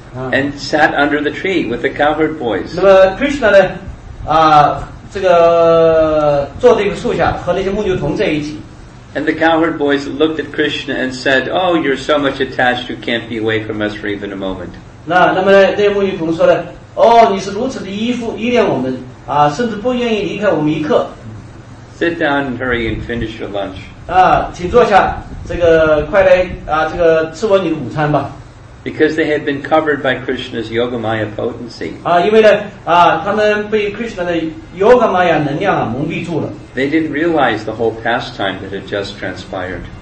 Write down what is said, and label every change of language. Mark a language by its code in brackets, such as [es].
[en] and sat under the tree with the cowherd boys. [zh] 那么Krishna呢，啊，这个坐在一个树下和那些牧牛同在一起。 [en] And the cowherd boys looked at Krishna and said, Oh, you're so much attached, you can't be away from us for even a moment. [zh] 那么呢，那牧女童说呢，哦，你是如此的依附依恋我们啊，甚至不愿意离开我们一刻。 [en] Sit down and hurry and finish your lunch. [zh] 啊，请坐下，这个快来啊，这个吃完你的午餐吧。 [en] Because they had been covered by Krishna's yogamaya potency. [zh] 啊，因为呢，啊，他们被Krishna的yogamaya能量啊蒙蔽住了。 [en] They didn't realize the whole pastime that had just transpired.